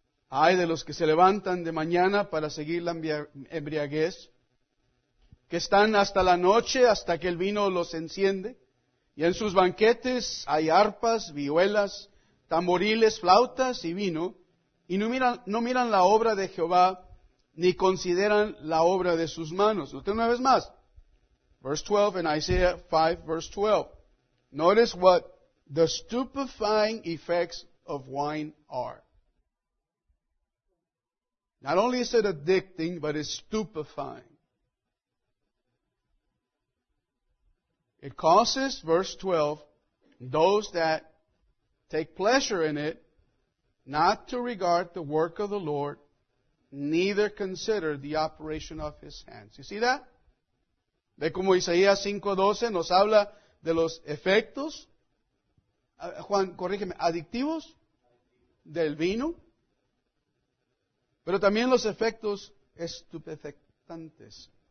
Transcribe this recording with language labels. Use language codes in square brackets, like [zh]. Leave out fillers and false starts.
[es] Ay de los que se levantan de mañana para seguir la embriaguez, que están hasta la noche, hasta que el vino los enciende, y en sus banquetes hay arpas, vihuelas, tamboriles, flautas y vino, y no miran la obra de Jehová, ni consideran la obra de sus manos. Usted una vez más. [en] Verse 12 in Isaiah 5, verse 12. Notice what the stupefying effects of wine are. Not only is it addicting, but it's stupefying. It causes, verse 12, those that take pleasure in it not to regard the work of the Lord, neither consider the operation of His hands. You see that? [es] Ve como Isaías 5:12 nos habla de los efectos, Juan, corrígeme, adictivos del vino, pero también los efectos estupefactantes.